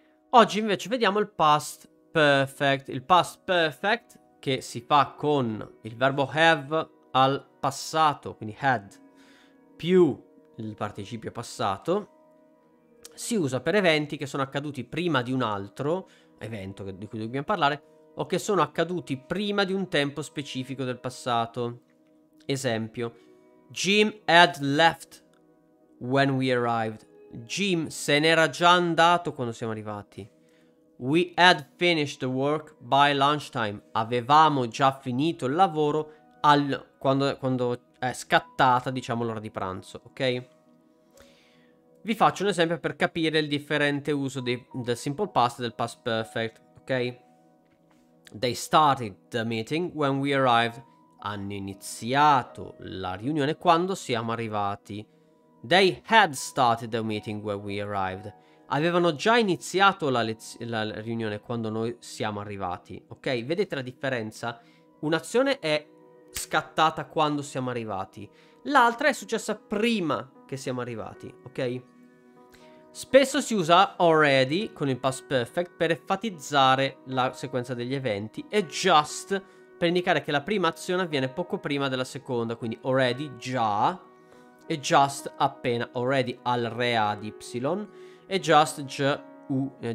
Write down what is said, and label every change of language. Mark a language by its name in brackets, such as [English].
[Italian] Oggi invece vediamo il past perfect. Il past perfect che si fa con il verbo have al passato, quindi had, più il participio passato. Si usa per eventi che sono accaduti prima di un altro evento di cui dobbiamo parlare o che sono accaduti prima di un tempo specifico del passato. Esempio: [English] Jim had left when we arrived. [Italian] Jim se n'era già andato quando siamo arrivati. [English] We had finished the work by lunchtime. [Italian] Avevamo già finito il lavoro quando è scattata, diciamo, l'ora di pranzo, ok? Vi faccio un esempio per capire il differente uso del simple past e del past perfect, ok? [English] They started the meeting when we arrived. [Italian] Hanno iniziato la riunione quando siamo arrivati. [English] They had started the meeting when we arrived. [Italian] Avevano già iniziato la riunione quando noi siamo arrivati, ok? Vedete la differenza? Un'azione è scattata quando siamo arrivati, l'altra è successa prima che siamo arrivati, ok? Spesso si usa already con il past perfect per enfatizzare la sequenza degli eventi e just per indicare che la prima azione avviene poco prima della seconda, quindi already già e just appena, already al rea di y e just j-u-s-t.